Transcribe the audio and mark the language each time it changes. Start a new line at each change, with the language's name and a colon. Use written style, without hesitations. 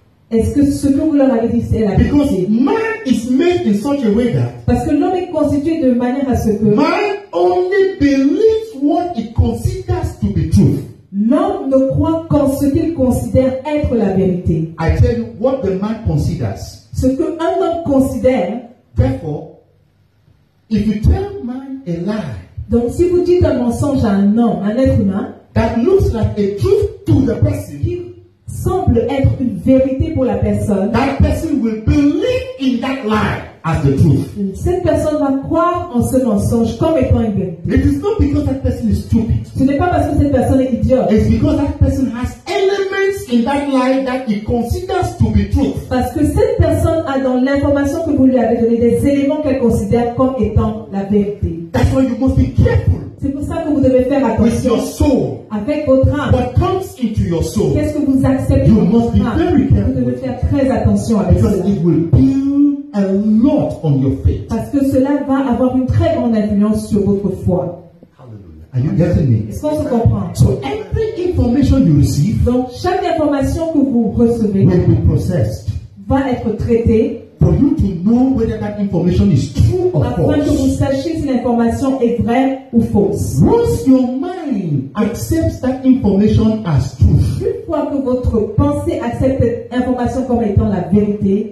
French: Est-ce que ce que vous leur avez dit c'est la vérité?
English: Because man is made in such a way that,
French: parce que l'homme est constitué de manière à ce que,
English: man only believes what he considers to be truth.
French: L'homme ne croit qu'en ce qu'il considère être la vérité.
English: I tell you what the man considers.
French: Ce que un homme considère.
English: Therefore, if you tell man a lie.
French: Donc si vous dites un mensonge à un homme, un être humain.
English: That looks like a truth to the person.
French: Qui semble être une vérité pour la personne.
English: That person will believe in that lie as the truth.
French: Cette personne va croire en ce mensonge comme étant une vérité.
English: It is not because that person is stupid.
French: Ce n'est pas parce que cette personne est idiote.
English: It's because that person has elements in that lie that he considers to be truth.
French: Parce que cette personne a dans l'information que vous lui avez donné des éléments qu'elle considère comme étant la vérité.
English: That's why you must be careful.
French: C'est pour ça que vous devez faire attention.
English: With your soul.
French: Avec votre âme.
English: What comes into your soul.
French: Qu'est-ce que vous acceptez?
English: You must be very careful.
French: Vous devez faire très attention avec
English: because
French: cela.
English: It will build a lot on your faith.
French: Parce que cela va avoir une très grande influence sur votre foi.
English: Are you getting me?
French: Est-ce qu'on se comprend?
English: So every information you receive,
French: donc chaque information que vous recevez,
English: will be processed,
French: va être traitée,
English: for you to know whether that information is true or
French: afin
English: false,
French: afin que vous sachiez si l'information est vraie ou fausse.
English: Once your mind accepts that information as truth,
French: une fois que votre pensée accepte cette information comme étant la vérité,